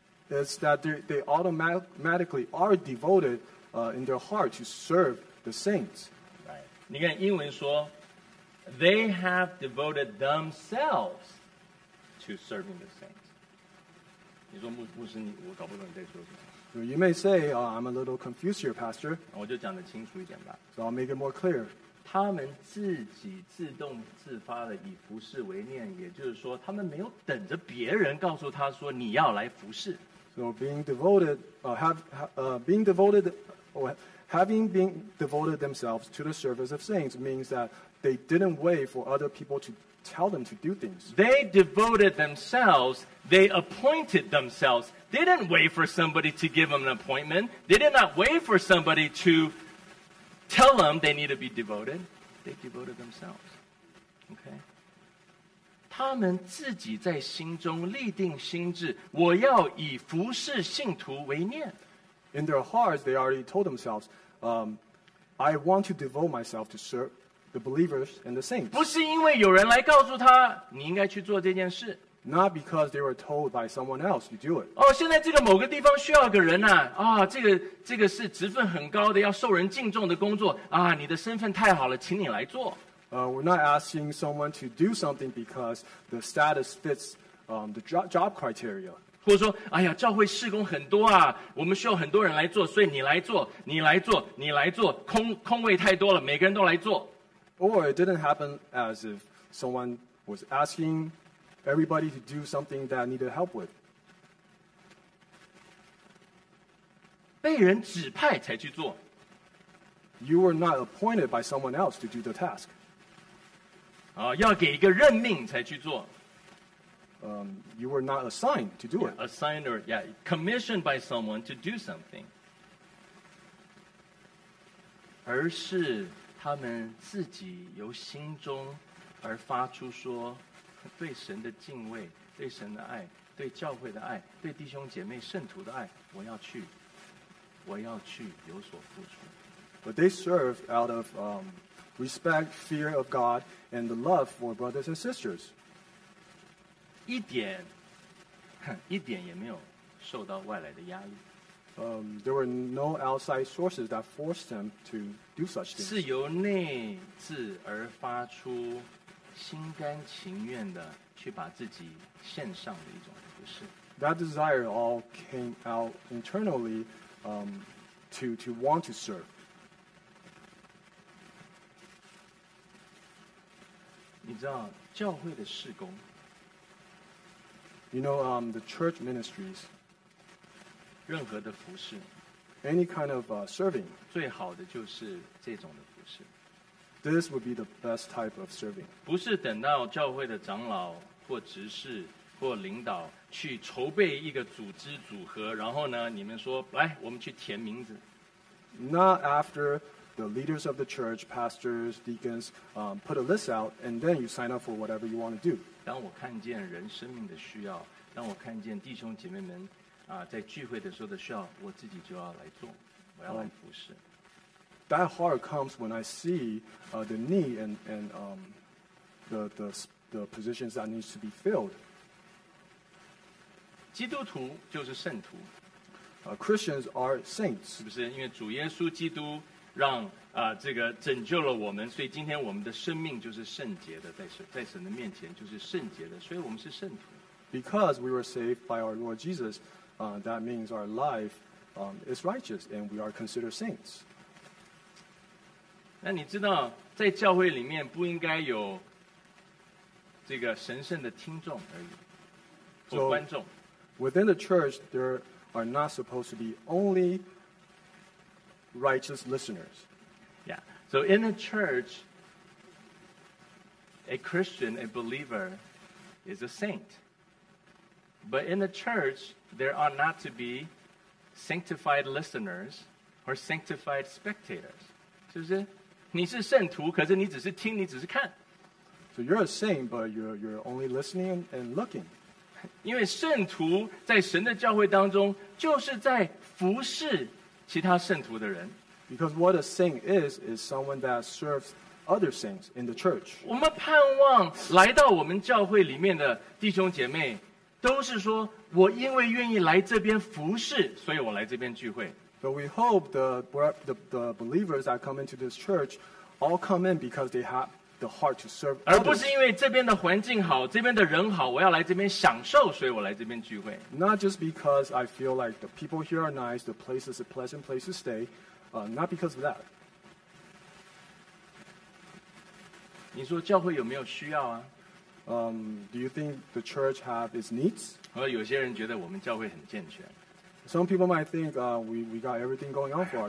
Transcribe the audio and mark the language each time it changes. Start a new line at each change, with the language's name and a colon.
English: it's that they automatically are devoted in their heart to serve the saints
Chinese: 你看英文说
English: they have devoted themselves to serving the saints.
Chinese: 你说牧师你我搞不懂你在说什么。
English: You may say, I'm a little confused here, Pastor.
Chinese: 我就讲得清楚一点吧。
English: So I'll make it more clear.
Chinese: 他们自己自动自发的以服侍为念也就是说他们没有等着别人告诉他说你要来服侍。
English: So being devoted, having been devoted themselves to the service of saints means that they didn't wait for other people to tell them to do things. They devoted themselves, they appointed themselves. They didn't wait for somebody to give them an appointment. They did not wait for somebody to tell them they need to be devoted. They devoted themselves. Okay?
Chinese: 他们自己在心中立定心志，我要以服侍信徒为念。
English: In their hearts, they already told themselves, I want to devote myself to serve the believers and the saints.
Chinese: 不是因为有人来告诉他你应该去做这件事。
English: Not because they were told by someone else to do it.
Chinese: 哦，现在这个某个地方需要一个人啊，啊，这个是职分很高的，要受人敬重的工作啊，你的身份太好了，请你来做。
English: We're not asking someone to do something because the status fits the job criteria.
Chinese: 或者说，哎呀，教会事工很多啊，我们需要很多人来做，所以你来做，你来做，你来做，空位太多了，每个人都来做。
English: Or it didn't happen as if someone was asking everybody to do something that needed help with.
Chinese: 被人指派才去做。
English: You were not appointed by someone else to do the task.
Chinese: 啊，要给一个任命才去做。
English: You were not assigned to do it. Yeah, assigned or, yeah, commissioned by someone to do something.
Chinese: 而是他们自己由心中而发出说对神的敬畏对神的爱对教会的爱，对弟兄姐妹圣徒的爱，我要去，我要去有所付出。
English: But they serve out of respect, fear of God, and the love for brothers and sisters.
Chinese: 一点也没有受到外来的压力。
English: There were no outside sources that forced them to do such things.
Chinese: 是由内自而发出心甘情愿的去把自己献上的一种服事。
English: That desire all came out internally, to want to serve.
Chinese: 你知道教会的事工。
English: You know, the church ministries.
Chinese: 任何的服事。
English: Any kind of serving.
Chinese: 最好的就是这种的服事。
English: This would be the best type of serving.
Chinese: 不是等到教会的长老或执事或领导去筹备一个组织组合，然后呢，你们说来，我们去填名字。
English: Not after the leaders of the church, pastors, deacons, put a list out, and then you sign up for whatever you want to do.
Chinese: 当我看见人生命的需要，当我看见弟兄姐妹们啊在聚会的时候的需要，我自己就要来做，我要来服事。
English: That heart comes when I see the need and the positions that needs to be filled.
Chinese: 基督徒就是圣徒。
English: Christians are saints.
Chinese: 是不是因为主耶稣基督让这个拯救了我们，所以今天我们的生命就是圣洁的，在神的面前就是圣洁的，所以我们是圣徒。
English: Because we were saved by our Lord Jesus, that means our life is righteous and we are considered saints.
Chinese: 那你知道在教会里面不应该有这个神圣的听众而已或观众。
English: Within the church, there are not supposed to be only righteous listeners. Yeah. So in the church, a Christian, a believer, is a saint. But in the church, there are not to be sanctified listeners or sanctified spectators.
Chinese: 是不是？你是圣徒，可是你只是听，你只是看。
English: So you're a saint, but you're only listening and looking.
Chinese: 因为圣徒在神的教会当中，就是在服侍其他圣徒的人。
English: Because what a saint is someone that serves other saints in the church.
Chinese: 我们盼望来到我们教会里面的弟兄姐妹，都是说我因为愿意来这边服侍，所以我来这边聚会。
English: But we hope the believers that come into this church all come in because they have the heart to serve others.
Chinese: 而不是因为这边的环境好，这边的人好，我要来这边享受，所以我来这边聚会。
English: Not just because I feel like the people here are nice, the place is a pleasant place to stay, not because of that.
Chinese: 你说教会有没有需要啊？
English: Do you think the church have its needs?
Chinese: 或者有些人觉得我们教会很健全。
English: Some people might think we got everything going on for our church.